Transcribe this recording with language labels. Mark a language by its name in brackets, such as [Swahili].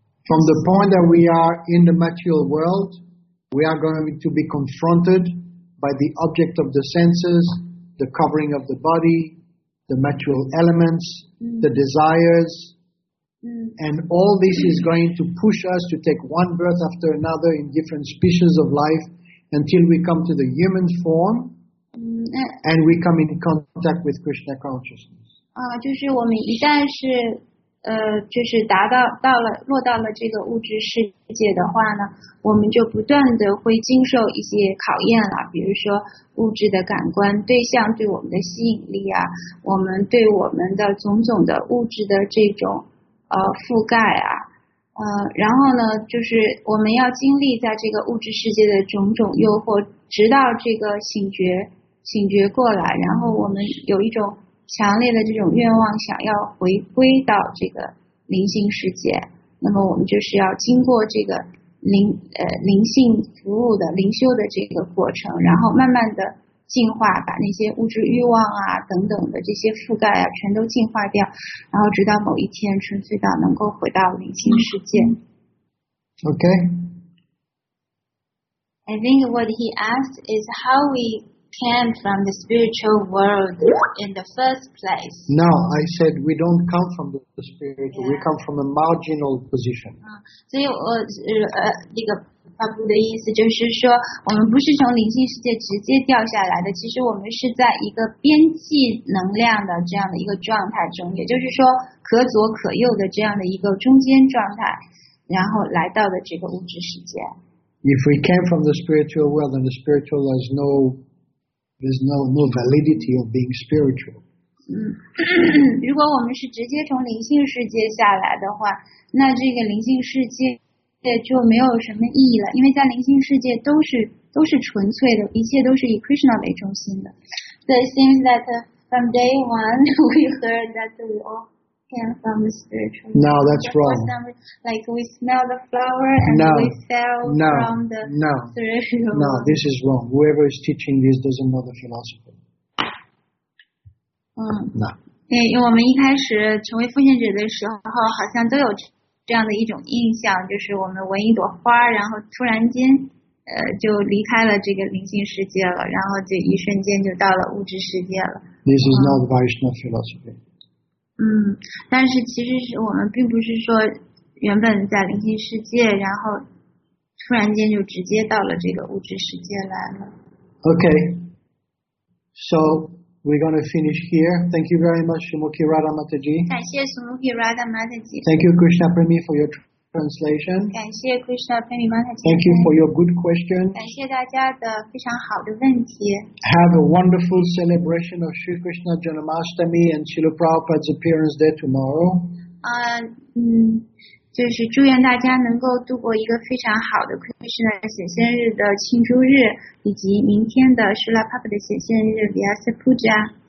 [English] From the point that we are in the material world, we are going to be confronted by the object of the senses, the covering of the body, the material elements, the desires, and all this is going to push us to take one birth after another in different species of life until we come to the human form and we come in contact with Krishna consciousness. [Chinese] 就是我们一旦是就是落到了这个物质世界的话呢，我们就不断的会经受一些考验了，比如说物质的感官对象对我们的吸引力啊，我们对我们的种种的物质的这种覆盖啊，然后呢，就是我们要经历在这个物质世界的种种诱惑，直到这个醒觉过来，然后我们有一种强烈的这种愿望，想要回归到这个灵性世界，那么我们就是要经过这个灵性服务的灵修的这个过程，然后慢慢的净化，把那些物质欲望啊等等的这些覆盖啊全都净化掉，然后直到某一天纯粹到能够回到灵性世界。 [English] Okay. I think what he asked is how we. Came from the spiritual world in the first place. No, I said we don't come from the spirit. Yeah. We come from a marginal position. [Chinese] 所以我这个发布的意思就是说，我们不是从灵性世界直接掉下来的。其实我们是在一个边际能量的这样的一个状态中，也就是说可左可右的这样的一个中间状态，然后来到的这个物质世界。 [English] If we came from the spiritual world, then the spiritual has no. There's no validity of being spiritual. [Chinese] 如果我们是直接从灵性世界下来的话，那这个灵性世界就没有什么意义了，因为在灵性世界都是纯粹的，一切都是以 Krishna 为中心的。 [English] So it seems that from day one we heard that we all came from the spiritual. No, that's wrong. Like we smell the flower and no, we fell no, from the no, spiritual. No, this is wrong. Whoever is teaching this doesn't know the philosophy. No. [Chinese] 因为我们一开始成为复现者的时候，好像都有这样的一种印象，就是我们闻一朵花，然后突然间，就离开了这个灵性世界了，然后就一瞬间就到了物质世界了。 [English] This is not Vaishnava philosophy. [Chinese] 但是其实是我们并不是说原本在灵性世界，然后突然间就直接到了这个物质世界来了。 [English] Okay, so we're going to finish here. Thank you very much, Sumukhi Radha Mataji. [Chinese] 感谢 Sumukhi Radha Mataji. [English] Thank you, Krishna Premi, for your translation. [Chinese] 感谢 Krishna Premi Mataji. [English] Thank you for your good question. [Chinese] 感谢大家的非常好的问题。 [English] Have a wonderful celebration of Sri Krishna Janmashtami and Srila Prabhupada's appearance there tomorrow. [Chinese] 就是祝愿大家能够度过一个非常好的 Krishna 显现日的庆祝日，以及明天的 Srila Prabhupada 的显现日 Vyasa Puja.